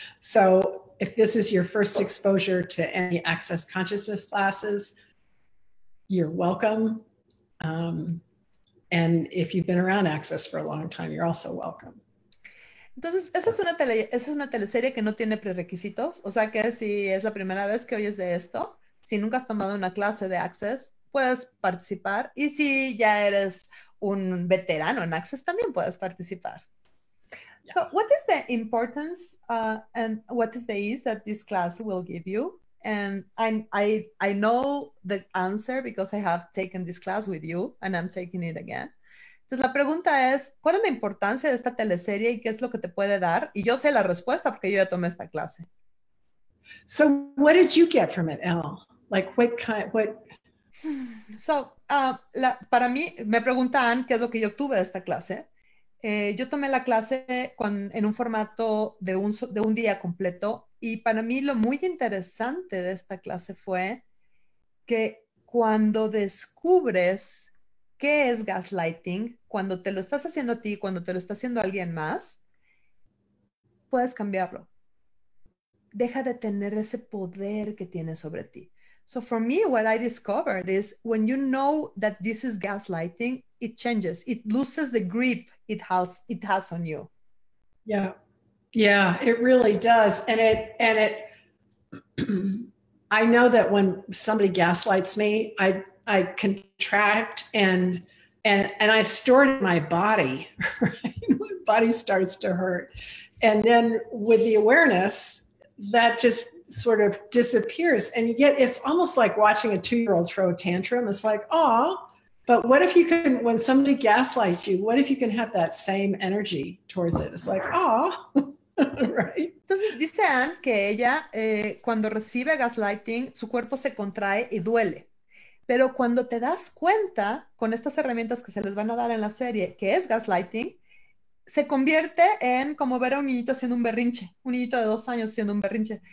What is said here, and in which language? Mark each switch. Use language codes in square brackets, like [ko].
[en] So if this is your first exposure to any Access Consciousness classes, you're welcome. And if you've been around Access for a long time, you're also welcome. [es] Entonces, esa es una teleserie que no tiene prerrequisitos, o sea que si es la primera vez que oyes de esto, si nunca has tomado una clase de Access, puedes participar y si ya eres un veterano en Access, también puedes participar. [en] So what is the importance and what is the ease that this class will give you? And I know the answer because I have taken this class with you and I'm taking it again. [es] Entonces, la pregunta es, ¿cuál es la importancia de esta teleserie y qué es lo que te puede dar? Y yo sé la respuesta porque yo ya tomé esta clase. [en] So what did you get from it, Elle? Like, what kind, what? [es] So, para mí, me preguntan qué es lo que yo tuve de esta clase. Yo tomé la clase en un formato de un día completo y para mí lo muy interesante de esta clase fue que cuando descubres qué es gaslighting, cuando te lo estás haciendo a ti, cuando te lo está haciendo alguien más, puedes cambiarlo. Deja de tener ese poder que tiene sobre ti. [en] So for me, what I discovered is when you know that this is gaslighting, it changes. It loses the grip it has on you. Yeah. Yeah, it really does. And it I know that when somebody gaslights me, I contract and I store it in my body. Right? My body starts to hurt. And then with the awareness, that just sort of disappears. And yet it's almost like watching a 2-year-old throw a tantrum. It's like, oh, but what if you can, when somebody gaslights you, what if you can have that same energy towards it? It's like, oh, right? [es] Entonces dice Anne que ella, cuando recibe gaslighting, su cuerpo se contrae y duele. Pero cuando te das cuenta con estas herramientas que se les van a dar en la serie, que es gaslighting, se convierte en como ver a un niñito haciendo un berrinche, un niñito de 2 años haciendo un berrinche.